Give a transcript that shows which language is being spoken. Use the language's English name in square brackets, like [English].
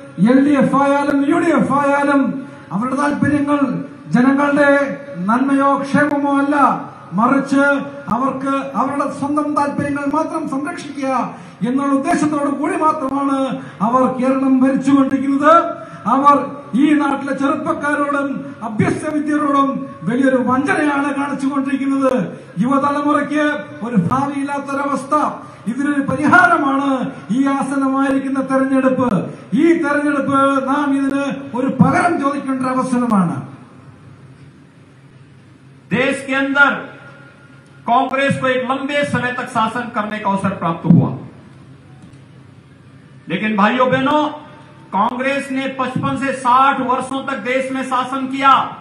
[Malayalam] LDF आयु UDF आयुपर्य जन नन्मयो क्षेमो अल മറിച്ച് അവർക്ക് അവരുടെ സ്വന്തം താൽപര്യങ്ങൾ മാത്രം സംരക്ഷിക്കുക എന്നുള്ള ഉദ്ദേശത്തോട് കൂടി മാത്രമാണ് അവർ കേരളം ഭരിച്ചുകൊണ്ടിരിക്കുന്നത്। അവർ ഈ നാട്ടിലെ ചെറുപ്പക്കാരോടും അഭ്യസ്തവിദ്യരോടും വലിയൊരു വഞ്ചനയാണ് കാണിച്ചുകൊണ്ടിരിക്കുന്നത്। യുവതലമുറയ്ക്ക് ഒരു ഭാവിയില്ലാത്ത ഒരവസ്ഥ, ഇതിനൊരു പരിഹാരമാണ് ഈ ആസനമായിരിക്കുന്ന തെരഞ്ഞെടുപ്പ്। ഈ തെരഞ്ഞെടുപ്പ് നാം ഇതിന് ഒരു പകരം ചോദിക്കേണ്ട അവസരമാണ്। [Hindi] देश के अंदर कांग्रेस को एक लंबे समय तक शासन करने का अवसर प्राप्त हुआ, लेकिन भाइयों बहनों कांग्रेस ने 55 से 60 वर्षों तक देश में शासन किया